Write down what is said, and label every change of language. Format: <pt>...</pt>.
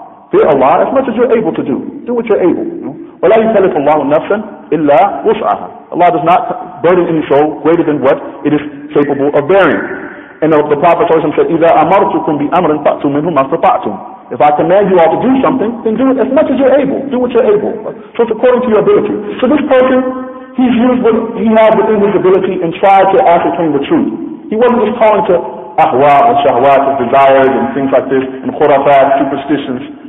<en>Fear Allah as much as you're able to do. Do what you're able.</en> <ar>وَلَا يُكَلِّفُ اللَّهُ نَفْسًا إِلَّا وُسْعَهَا.</ar> <en>Allah does not burden any soul greater than what it is capable of bearing. And the Prophet ﷺ said,</en> <ar>إِذَا أَمَرْتُكُمْ بِأَمْرٍ فَأْتُمْ مِنْهُ مَا اسْتَطَعْتُمْ.</ar> <en>If I command you all to do something, then do it as much as you're able. Do what you're able. So it's according to your ability. So this person, he's used what he had within his ability and tried to ascertain the truth. He wasn't just calling to ahwa and shahwat and desires and things like this and khurafat, superstitions.</en>